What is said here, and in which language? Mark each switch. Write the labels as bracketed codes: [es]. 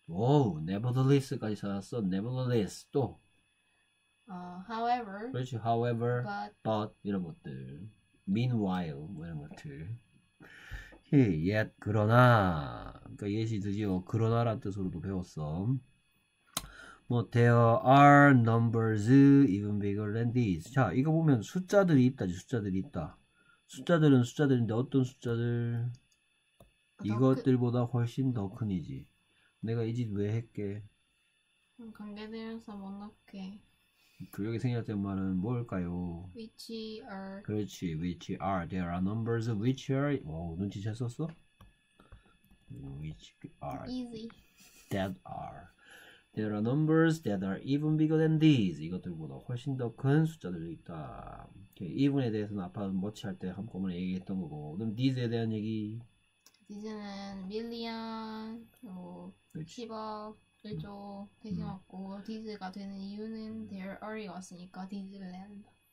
[ko] Wow, nevertheless까지 찾았어. Nevertheless 또. [en] However, [ko] 그렇지. However, [en] but. [ko] but 이런 것들. Meanwhile 뭐 이런 것들. Yet 그러나 그러니까 예시 드디어 그러나란 뜻으로도 배웠어. [en] 뭐 there are numbers even bigger than these. [ko] 자 이거 보면 숫자들이 있다지. 숫자들이 있다. 숫자들은 숫자들인데 어떤 숫자들 더 크. 이것들보다 훨씬 더 큰이지. 내가 이짓왜 했게? 관계되면서 못 넣게. 그 여기 생략된 말은 뭘까요? [en] Which are. [ko] 그렇지. [en] Which are there are numbers which are [ko] 오 눈치챘었어? [en] Which are Easy. that are there are numbers that are even bigger than these. [ko] 이것들보다 훨씬 더큰 숫자들이 있다. Even에 대해서는 아까 뭐치 할때 한꺼번에 얘기했던 거고 그럼 these에 대한 얘기 디즈는 밀리언, 뭐 그렇지. 10억, 1조 대신 왔고, 디즈가 되는 이유는 [en] there are [ko] 가 왔으니까 디즈랜드.